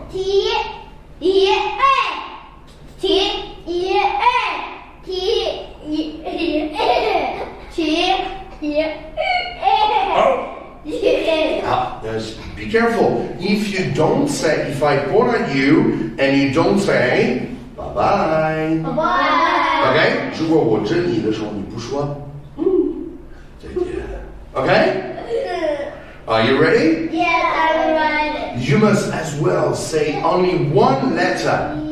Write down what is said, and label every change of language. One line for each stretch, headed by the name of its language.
English: T E A. T E A. T E A. T E A. T E A. Yes. Be careful. If you don't say, if I point at you and you don't say, Bye-bye. Okay?
Chinese: 如果我真你的时候你不说, 再见。
English: Okay? Are you ready? Yes, I'm ready. You must as well say only one letter.